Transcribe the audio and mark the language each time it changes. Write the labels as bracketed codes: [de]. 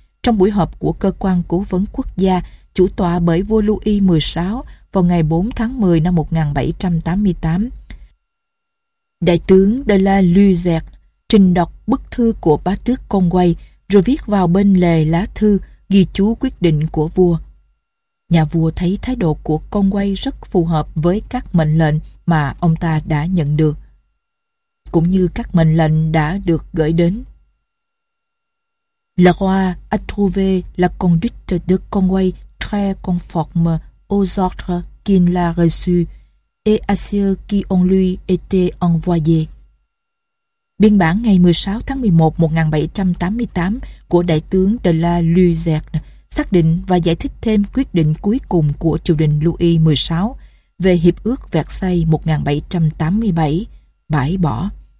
[vi] Trong buổi họp của cơ quan cố vấn quốc gia chủ tọa bởi vua Louis XVI vào ngày 4 tháng 10 năm 1788, đại tướng de la Luzerne trình đọc bức thư của Bá Tước Con Quay rồi viết vào bên lề lá thư ghi chú quyết định của vua. Nhà vua thấy thái độ của Con Quay rất phù hợp với các mệnh lệnh mà ông ta đã nhận được, cũng như các mệnh lệnh đã được gửi đến. [fr] Le roi a trouvé la conduite de Con Quay très conforme aux ordres qu'il l'a reçu et à ceux qui ont lui été envoyés. [vi] Biên bản ngày 16 tháng 11 năm 1788 của Đại tướng de la Luzerne xác định và giải thích thêm quyết định cuối cùng của triều đình Louis XVI về Hiệp ước Versailles 1787, bãi bỏ.